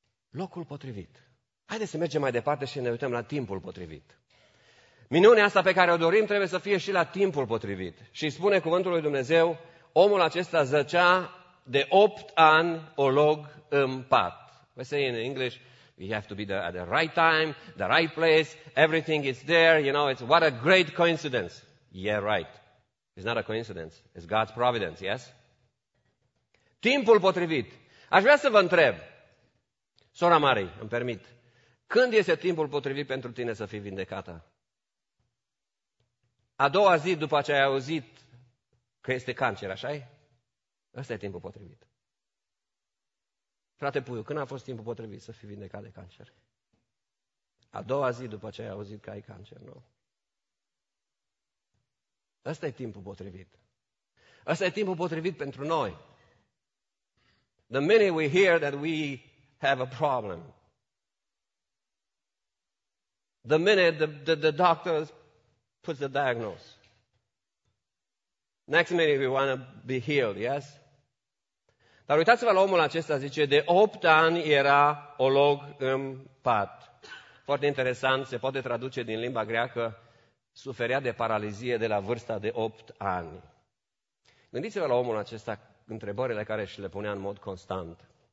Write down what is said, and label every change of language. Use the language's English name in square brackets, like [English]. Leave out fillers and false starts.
[Romanian] Locul potrivit. Haideți să mergem mai departe și ne uităm la timpul potrivit. Minunea asta pe care o dorim trebuie să fie și la timpul potrivit. Și spune cuvântul lui Dumnezeu, omul acesta zăcea de 8 ani olog în pat. [English] We say in English, We have to be there at the right time, the right place. Everything is there. You know, it's what a great coincidence. Yeah, right. It's not a coincidence. It's God's providence, yes? [Romanian] Timpul potrivit. Aș vrea să vă întreb, sora Mari, îmi permit, când este timpul potrivit pentru tine să fii vindecată? A doua zi după ce ai auzit că este cancer, așa-i? Ăsta e timpul potrivit. Frate Puiu, când a fost timpul potrivit să fii vindecat de cancer? A doua zi după ce ai auzit că ai cancer, nu? Ăsta e timpul potrivit. Ăsta e timpul potrivit pentru noi. [English] The minute we hear that we have a problem, the minute the doctor puts the diagnosis, next minute we want to be healed, yes? [Romanian] Dar uitați-vă la omul acesta, zice, de 8 ani era olog în pat. Foarte interesant, se poate traduce din limba greacă, suferea de paralizie de la vârsta de 8 ani. Gândiți-vă la omul acesta, întrebările care și le punea în mod constant.